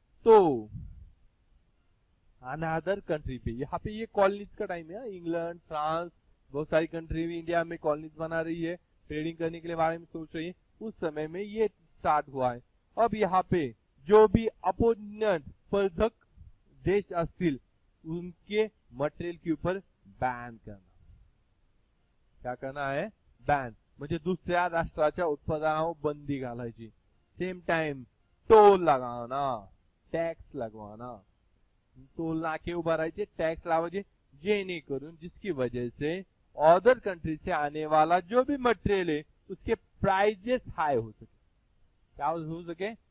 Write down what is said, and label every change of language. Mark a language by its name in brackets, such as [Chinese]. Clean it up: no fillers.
[Hindi] तो another country पे, यहाँ पे ये कॉलोनीज का टाइम है, इंग्लैंड फ्रांस बहुत सारी कंट्री भी इंडिया में कॉलोनीज बना रही है, ट्रेडिंग करने के लिए बारे में सोच रही है, उस समय में ये स्टार्ट हुआ है। अब यहाँ पे जो भी अपोनेंट [Marathi] स्पर्धक देश अस्तिल [Hindi] उनके मटेरियल के ऊपर बैन करना, क्या करना है? [Marathi] बैन, म्हणजे दुसऱ्या राष्ट्राच्या उत्पादनावर बंदी घालायची। [Hindi] सेम टाइम टोल लगाना, टैक्स लगवाना, [Marathi] टोल नाके उभारायचे, टैक्स लावायचे, जेणेकरून [Hindi] जिसकी वजह से अदर कंट्री से आने वाला जो भी मटेरियल है उसके प्राइजेस हाई हो सके। क्या हो सके?